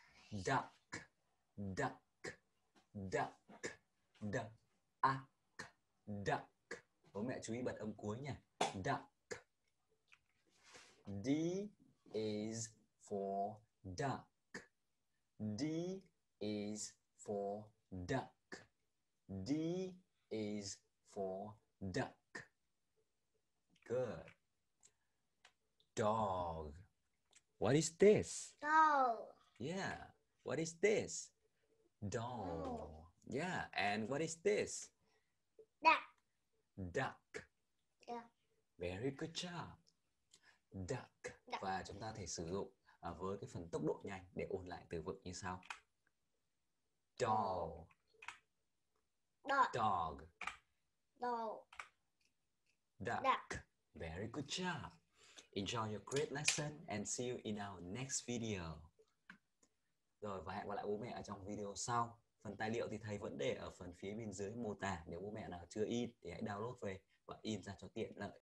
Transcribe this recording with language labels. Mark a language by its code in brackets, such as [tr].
[en] Duck, duck, duck, duck, duck. [vi] Bố mẹ chú ý bật âm cuối nha. [en] Duck. D is for duck. D is for duck. D is for duck. Good. Dog. What is this? Dog. Yeah. What is this? Dog. Oh. Yeah. And what is this? Duck. Duck. Yeah. Very good job. Duck. Duck. [vi] Và chúng ta thể sử dụng với cái phần tốc độ nhanh để ôn lại từ vựng như sau. [en] Dog. Dog. Dog. Dog. Duck. Duck. Very good job. Enjoy your great lesson and see you in our next video. [vi] Rồi và hẹn gặp lại bố mẹ ở trong video sau. Phần tài liệu thì thầy vẫn để ở phần phía bên dưới mô tả. Nếu bố mẹ nào chưa in thì hãy download về và in ra cho tiện lợi.